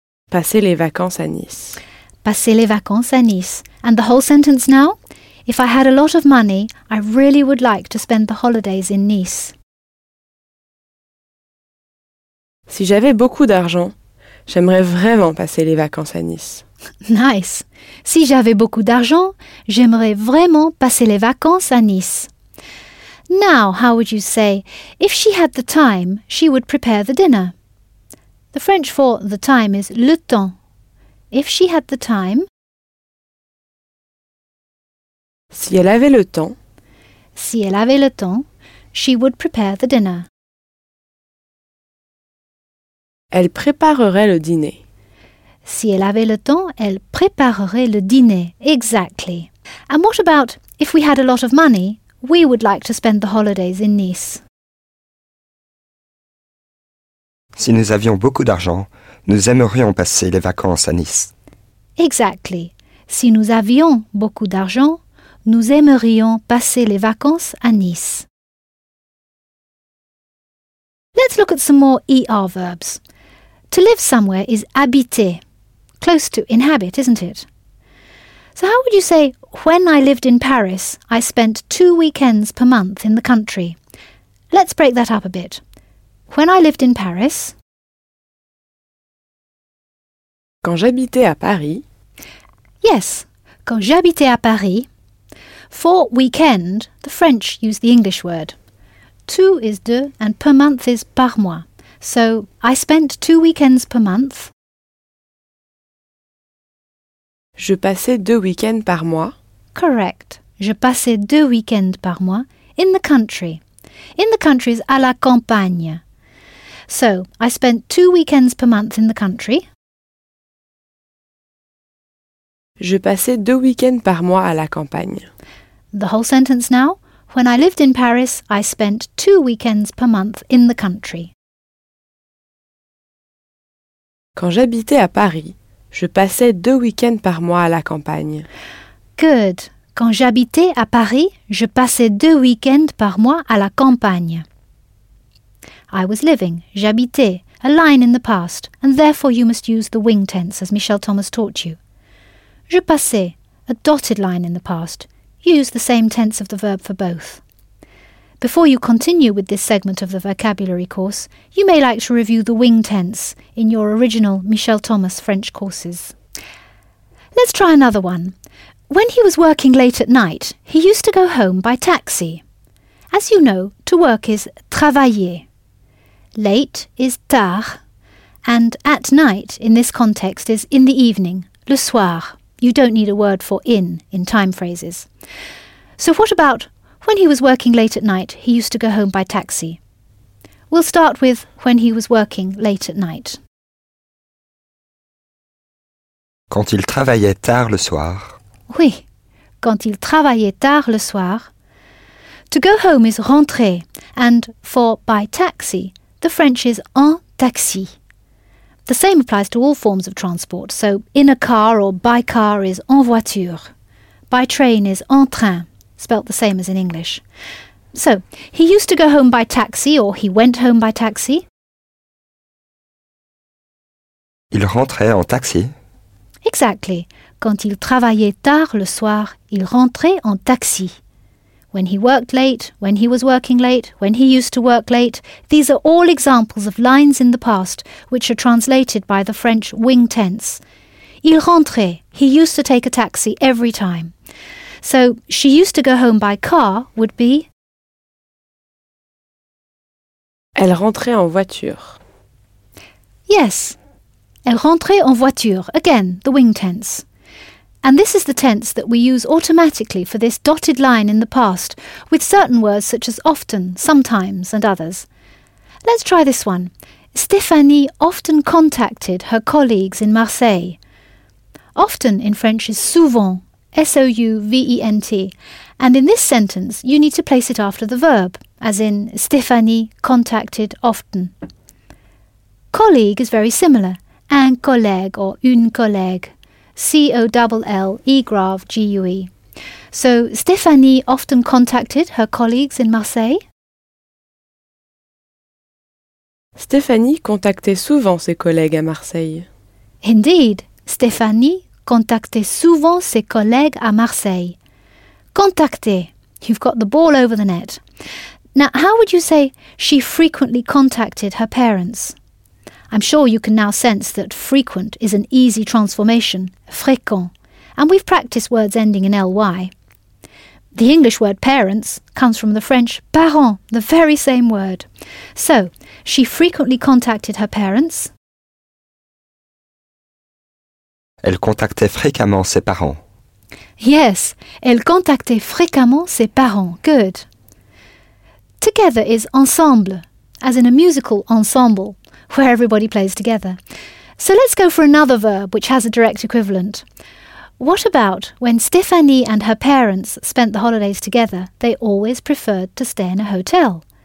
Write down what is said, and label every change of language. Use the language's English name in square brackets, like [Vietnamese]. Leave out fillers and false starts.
[French] Passer les vacances à Nice. Passer les vacances à Nice. [English] And the whole sentence now? If I had a lot of money, I really would like to spend the holidays in Nice. [French] Si j'avais beaucoup d'argent, j'aimerais vraiment passer les vacances à Nice. Nice. Si j'avais beaucoup d'argent, j'aimerais vraiment passer les vacances à Nice. [English] Now, how would you say, if she had the time, she would prepare the dinner? The French for the time is le temps. If she had the time... [French] Si elle avait le temps... Si elle avait le temps, [English] she would prepare the dinner. [French] Elle préparerait le dîner. Si elle avait le temps, elle préparerait le dîner. [English] Exactly. And what about, if we had a lot of money, we would like to spend the holidays in Nice? [French] Si nous avions beaucoup d'argent, nous aimerions passer les vacances à Nice. [English] Exactly. [French] Si nous avions beaucoup d'argent, nous aimerions passer les vacances à Nice. [English] Let's look at some more ER verbs. To live somewhere is habiter, close to inhabit, isn't it? So how would you say, when I lived in Paris, I spent 2 weekends per month in the country? Let's break that up a bit. When I lived in Paris... [French] Quand j'habitais à Paris... [English] Yes, [French] quand j'habitais à Paris... [English] For weekend, the French use the English word. Two is deux and per month is par mois. So, I spent 2 weekends per month. [French] Je passais 2 weekends par mois. [English] Correct. [French] Je passais 2 weekends par mois [English] in the country. In the country is à la campagne. So, I spent 2 weekends per month in the country. [French] Je passais 2 weekends par mois à la campagne. [English] The whole sentence now. When I lived in Paris, I spent 2 weekends per month in the country. [French] Quand j'habitais à Paris, je passais 2 weekends par mois à la campagne. [English] Good. [French] Quand j'habitais à Paris, je passais 2 weekends par mois à la campagne. [English] I was living, j'habitais, a line in the past, and therefore you must use the wing tense as Michel Thomas taught you. [French] Je passais, [English] a dotted line in the past. You use the same tense of the verb for both. Before you continue with this segment of the vocabulary course, you may like to review the wing tense in your original Michel Thomas French courses. Let's try another one. When he was working late at night, he used to go home by taxi. As you know, to work is travailler. Late is tard, and at night in this context is in the evening, le soir. You don't need a word for in time phrases. So what about when he was working late at night, he used to go home by taxi? We'll start with when he was working late at night. [French] Quand il travaillait tard le soir. Oui, quand il travaillait tard le soir. [English] To go home is rentrer, and for by taxi, the French is en taxi. The same applies to all forms of transport, so in a car or by car is en voiture. By train is en train, spelt the same as in English. So, he used to go home by taxi or he went home by taxi? [French] Il rentrait en taxi. [English] Exactly. [French] Quand il travaillait tard le soir, il rentrait en taxi. [English] When he worked late, when he was working late, when he used to work late, these are all examples of lines in the past which are translated by the French wing tense. [French] Il rentrait, [English] he used to take a taxi every time. So, she used to go home by car would be... [French] Elle rentrait en voiture. [English] Yes, [French] elle rentrait en voiture, [English] again, the wing tense. And this is the tense that we use automatically for this dotted line in the past, with certain words such as often, sometimes, and others. Let's try this one. Stéphanie often contacted her colleagues in Marseille. Often in French is souvent, S-O-U-V-E-N-T. And in this sentence, you need to place it after the verb, as in Stéphanie contacted often. Colleague is very similar. [French] Un collègue or une collègue. [English] C-O-L-L-E-G-R-A-V-G-U-E. So, Stéphanie often contacted her colleagues in Marseille? [French] Stéphanie contactait souvent ses collègues à Marseille. [English] Indeed, [French] Stéphanie contactait souvent ses collègues à Marseille. [English] Contacter, you've got the ball over the net. Now, how would you say she frequently contacted her parents? I'm sure you can now sense that frequent is an easy transformation, fréquent, and we've practiced words ending in ly. The English word parents comes from the French parent, the very same word. So, she frequently contacted her parents. [French] Elle contactait fréquemment ses parents. [English] Yes, [French] elle contactait fréquemment ses parents. [English] Good. Together is ensemble, as in a musical ensemble, where everybody plays together. So let's go for another verb which has a direct equivalent. What about when Stéphanie and her parents spent the holidays together, they always preferred to stay in a hotel?